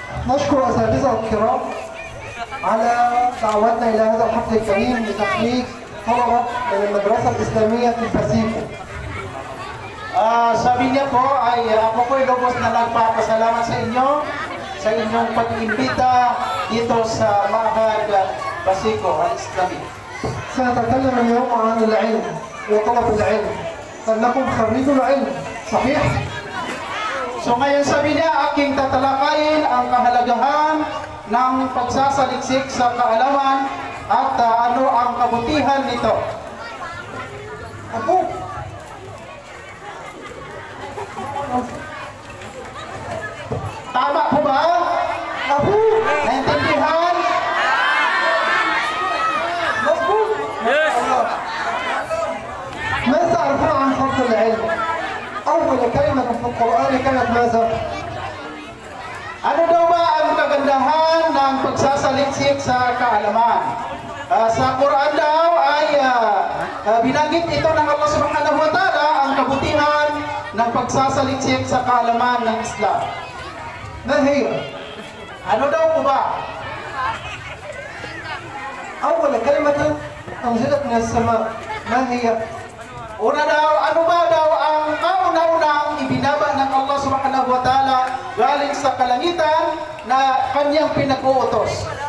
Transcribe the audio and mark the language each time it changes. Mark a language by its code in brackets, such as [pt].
[ar] نشكر أساتذة الكرام على دعوتنا إلى هذا الحفل الكريم لتخريج طلبة من المدرسة الإسلامية في الباسيفو. [tl] Sabi niya po ay ako po ay lubos na nagpapasalamat sa inyo sa inyong pag-imbita dito sa Mahal Pasiko ang Islami. Sa tatalam niyo ang ano al-ilm o talab al-ilm talakong kharito al-ilm, sahih? So ngayon sabi niya, aking tatalakayin ang kahalagahan ng pagsasaliksik sa kaalaman at ano ang kabutihan nito. Ako? Tama po ba? Ako? Naintindihan? Ako? [en] Yes! May sa arfa ang kapsul ilm. [ar] أول كلمة في القرآن كانت ماذا؟ [tl] Ano daw ba ang kagandahan ng pagsasaliksik sa kaalaman? Sa Quran daw ay binanggit ito ng Allah Subhanahu wa Ta'ala ang kabutihan ng pagsasaliksik sa kaalaman ng Islam. Nahir, ano daw po ba? [ar] أول كلمة أنزلت من السماء. نهي. [tl] Una daw, ano ba daw ang kauna-unang ibinaba ng Allah Subhanahu wa Ta'ala galing sa kalangitan na kanyang pinag-uutos?